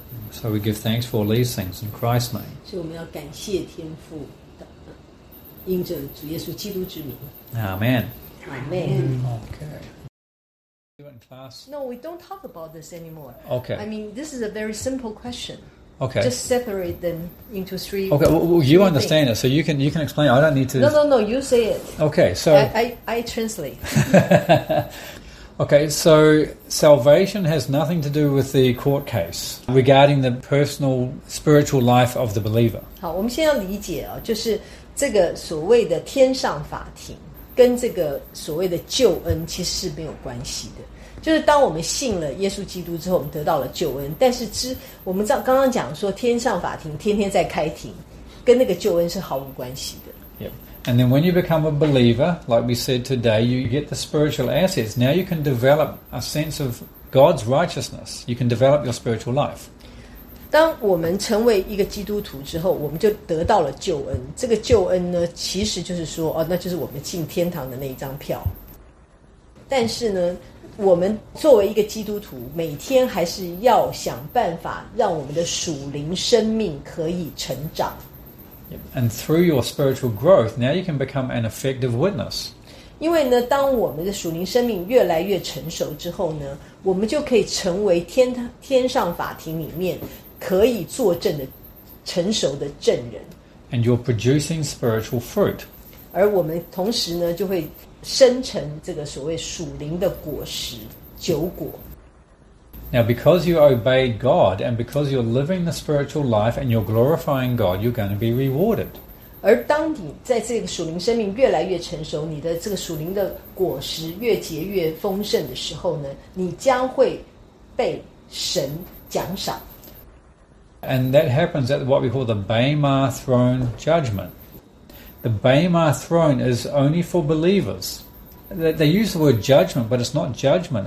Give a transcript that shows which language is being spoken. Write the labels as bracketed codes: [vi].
[en] So we give thanks for these things in Christ's name. [zh] 所以我们要感谢天父，因着主耶稣基督之名。 [en] Amen. Amen. Okay. In class. No, we don't talk about this anymore. Okay. I mean, this is a very simple question. Okay. Just separate them into three. Okay. Well, you understand things. It, so you can explain. I don't need to. No. You say it. Okay. So I translate. Okay. So salvation has nothing to do with the court case regarding the personal spiritual life of the believer. [zh] 好，我们先要理解啊，就是这个所谓的天上法庭。跟这个所谓的救恩其实是没有关系的，就是当我们信了耶稣基督之后，我们得到了救恩。但是我们刚刚讲说，天上法庭天天在开庭，跟那个救恩是毫无关系的。 [en] Yeah, and then when you become a believer, like we said today, you get the spiritual assets. Now you can develop a sense of God's righteousness. You can develop your spiritual life. [zh] 当我们成为一个基督徒之后，我们就得到了救恩。这个救恩呢，其实就是说，那就是我们进天堂的那一张票。但是呢，我们作为一个基督徒，每天还是要想办法让我们的属灵生命可以成长。 [en] And through your spiritual growth, now you can become an effective witness. [zh] 因为呢，当我们的属灵生命越来越成熟之后呢，我们就可以成为 天上法庭里面可以作证的成熟的证人。 [en] And you're producing spiritual fruit. [zh] 而我们同时呢，就会生成这个所谓属灵的果实，酒果。 [en] Now, because you obey God, and because you're living the spiritual life, and you're glorifying God, you're going to be rewarded. [zh] 而当你在这个属灵生命越来越成熟，你的这个属灵的果实越结越丰盛的时候呢，你将会被神奖赏。 [en] And that happens at what we call the Bema Throne Judgment. The Bema Throne is only for believers. They use the word judgment, but it's not judgment.